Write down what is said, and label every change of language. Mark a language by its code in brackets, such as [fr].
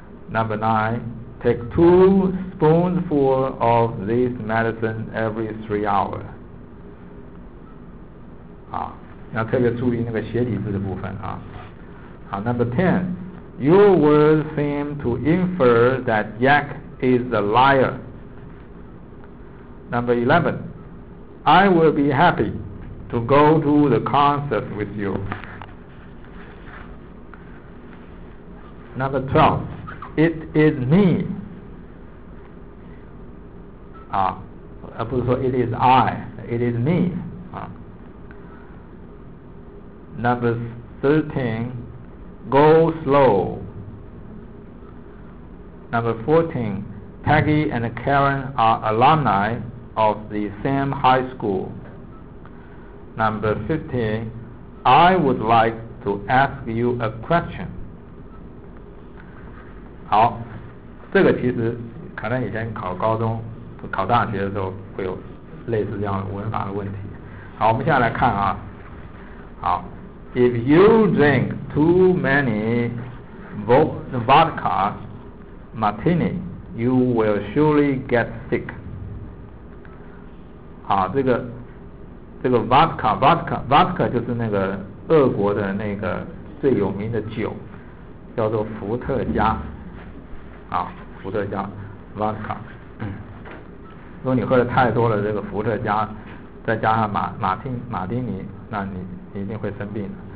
[en] Number nine, take 2 spoonsful of this medicine every 3 hours. [zh] 啊，要特别注意那个斜体字的部分啊。 [en] 好 ，number ten. Your words seem to infer that Jack is a liar. Number 11. I will be happy to go to the concert with you. Number 12. It is me. [zh] 啊，不是说 [en] it is I, it is me. 啊。 Number 13. Go slow. Number 14, Peggy and Karen are alumni of the same high school. Number 15, I would like to ask you a question. [zh] 好，这个其实可能以前考高中、考大学的时候会有类似这样的文法的问题。好，我们现在来看啊，好。 [en] If you drink too many vodka martini, you will surely get sick. [zh] 啊，这个 vodka 就是那个俄国的那个最有名的酒，叫做伏特加。啊，伏特加 vodka。如果你喝的太多了，这个伏特加再加上马丁尼，那你一定会生病的。